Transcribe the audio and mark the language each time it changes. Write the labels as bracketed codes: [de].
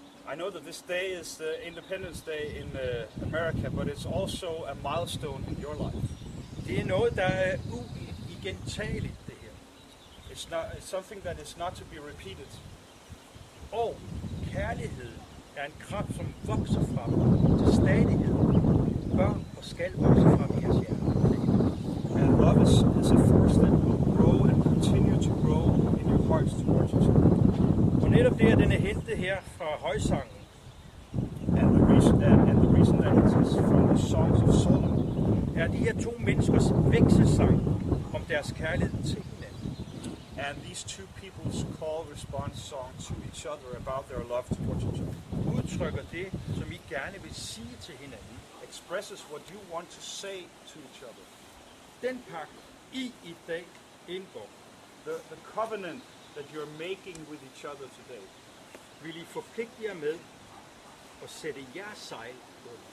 [en] I know that this day is the Independence Day in America, but it's also a milestone in your life. [da] Det er noget, der er uigentageligt, det her. [en] It's something that is not to be repeated. [da] Og kærlighed er en kraft, som vokser frem til stadighed. Børn og skal vokse frem i jeres hjerte. [en] And love is a force that will grow and continue to grow in your hearts towards each other. [da] Og netop det her, den er hentet her fra højsangen. [en] And the reason that it is from the songs of Solomon. [da] Er de her to menneskers vekselsang om deres kærlighed til hinanden. [en] And these two people's call response song to each other about their love towards each other. [da] Udtrykker det, som I gerne vil sige til hinanden. [en] Expresses what you want to say to each other. [da] Den pagt I dag indgår. [en] The covenant that you're making with each other today. [da] Vil I forpligte jer med at sætte jeres sejl på.